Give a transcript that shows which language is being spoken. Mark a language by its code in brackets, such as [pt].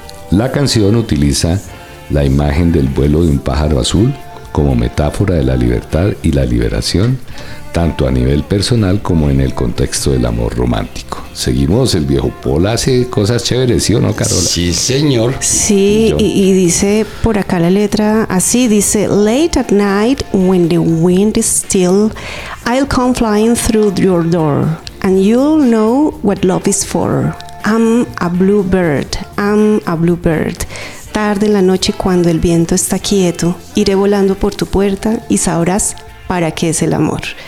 [es] La canción utiliza la imagen del vuelo de un pájaro azul como metáfora de la libertad y la liberación, tanto a nivel personal como en el contexto del amor romántico. Seguimos, el viejo Paul hace cosas chéveres, ¿sí o no, Carola? Sí, señor. Sí, y dice por acá la letra, así dice: [en] Late at night, when the wind is still, I'll come flying through your door, and you'll know what love is for. I'm a bluebird, I'm a bluebird. [es] Tarde en la noche, cuando el viento está quieto, iré volando por tu puerta y sabrás para qué es el amor.